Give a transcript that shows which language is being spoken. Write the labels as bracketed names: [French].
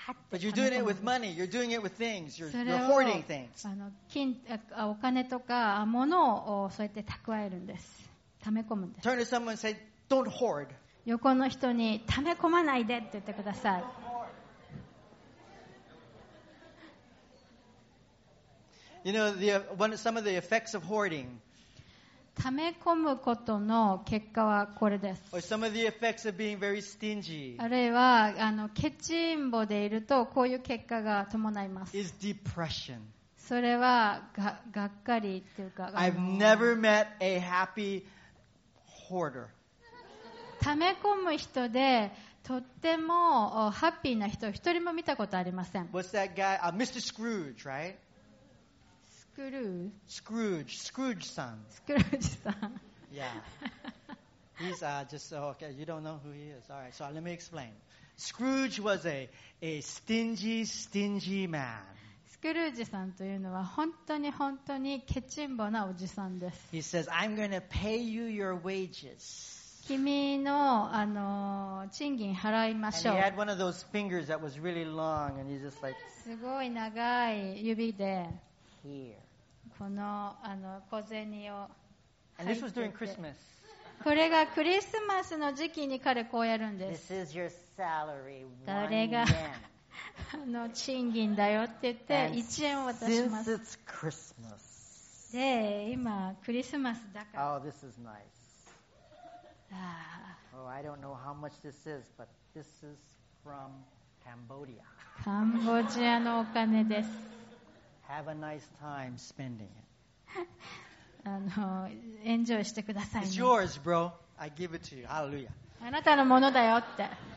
[English] But you're doing it with money. You're doing it with things. You're hoarding things. [Japanese] お金とか物をそうやって蓄えるんです。溜め込むんです。 [English] Turn to someone and say, "Don't hoard." [Japanese] 横の人に溜め込まないでって言ってください。 [English] You know, some of the effects of hoarding. [Japanese] 溜め込むことの結果はこれです。 [English] Or some of the effects of being very stingy. [Japanese] あるいはケチンボでいるとこういう結果が伴います。 [English] Is depression. [Japanese] それはがっかりっていうか。 [English] I've never met a happy hoarder. [Japanese] 溜め込む人でとってもハッピーな人一人も見たことありません。 [English] What's that guy? Mr. Scrooge, right? Scrooge さん。 [Japanese] Scrooge さん。 [English] Yeah. He's just so okay. You don't know who he is. All right. So let me explain. Scrooge was a stingy, stingy man. [Japanese] Scrooge さんというのは本当に本当にケチンボなおじさんです。 [English] He says, I'm going to pay you your wages. [Japanese] 君の賃金払いましょう。 [English] And he had one of those fingers that was really long, and he's just like. [Japanese] すごい長い指で。この小銭を [English] And this was during Christmas. [Japanese] これがクリスマスの時期に彼こうやるんです。 [English] This is your salary, one yen. [Japanese] 誰が賃金だよって言って1円を渡します。 [English] Since it's Christmas. [Japanese] で、今クリスマスだから。 [English] Oh, this is nice. Oh, I don't know how much this is, but this is from Cambodia. [Japanese] カンボジアのお金です。 [English] Have a nice time spending it. [Japanese] enjoy してくださいね。 [English] It's yours, bro. I give it to you. Hallelujah. [Japanese] あなたのものだよって。